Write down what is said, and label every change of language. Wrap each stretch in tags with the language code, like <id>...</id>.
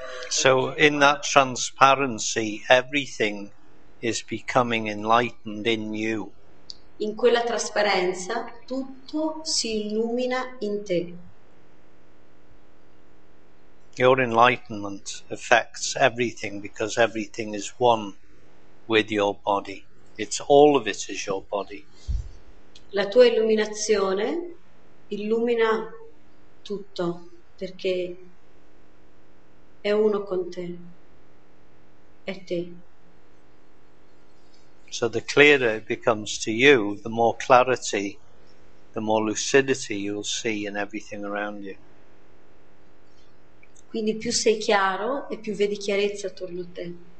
<en>So in that transparency everything is becoming enlightened in you.</en> <it>In quella trasparenza tutto si illumina in te.</it> <en>Your enlightenment affects everything because everything is one with your body. It's all of it is your body.</en> <it>La tua illuminazione illumina tutto perché è uno con te, è te.</it> <en>So the clearer it becomes to you, the more clarity, the more lucidity you'll see in everything around you.</en> <it>Quindi più sei chiaro e più vedi chiarezza attorno a te.</it>